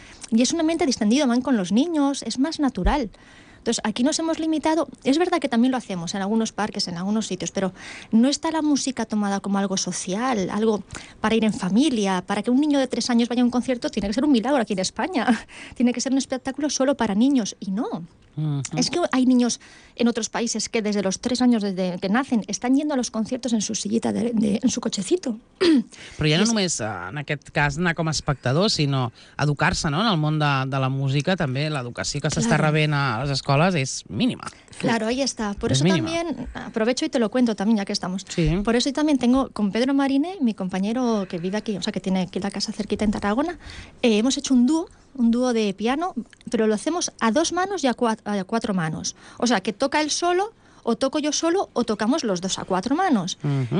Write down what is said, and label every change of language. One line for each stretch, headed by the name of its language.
Spanish: Y es un ambiente distendido, van con los niños, es más natural. Entonces, aquí nos hemos limitado, es verdad que también lo hacemos en algunos parques, en algunos sitios, pero no está la música tomada como algo social, algo para ir en familia, para que un niño de 3 años vaya a un concierto, tiene que ser un milagro aquí en España, tiene que ser un espectáculo solo para niños, y no. Uh-huh. Es que hay niños en otros países que desde los 3 años desde que nacen están yendo a los conciertos en su sillita, en su cochecito.
Catalan: Però ja no només en aquest cas anar com a espectador, sinó educar-se, no? En el món de la música també l'educació que s'està rebent a les escoles és mínima.
Spanish: Claro, ahí está. Por eso también aprovecho y te lo cuento también, ya que estamos. Sí. Por eso también tengo con Pedro Marine, mi compañero que vive aquí, o sea, que tiene aquí la casa cerquita en Tarragona, hemos hecho un dúo de piano, pero lo hacemos a 2 manos y a 4 manos. O sea, que toca él solo, o toco yo solo, o tocamos los 2 a 4 manos. Uh-huh.